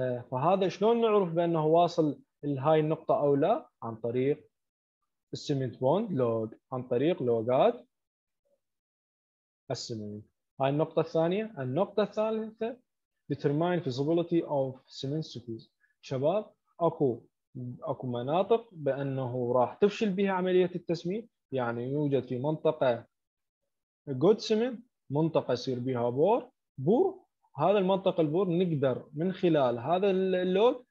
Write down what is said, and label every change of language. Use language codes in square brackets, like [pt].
[ar] فهذا شلون نعرف بأنه واصل لهاي النقطة أو لا؟ عن طريق السمنت بوند لوج، عن طريق لوجات السمنت. هاي النقطة الثانية. النقطة الثالثة [en] determine feasibility of cement species. [ar] شباب أكو مناطق بأنه راح تفشل بها عملية التسميد، يعني يوجد في منطقة good cement، منطقة يصير بها بور، هذا المنطقة البور نقدر من خلال هذا اللوج